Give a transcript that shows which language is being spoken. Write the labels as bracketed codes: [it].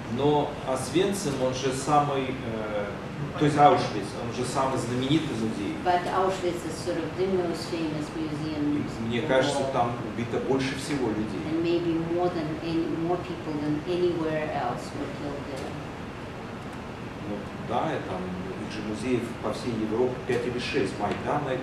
[ru] Но Освенцим, он же самый, то есть Auschwitz, он же самый знаменитый музей. [en] But Auschwitz is sort of the most famous museum. [ru] Мне кажется, там убито больше всего людей. [en] And maybe more people than anywhere else were killed there. [ru] Ну да, там их же музеев по всей Европе 5 или 6, Майдана.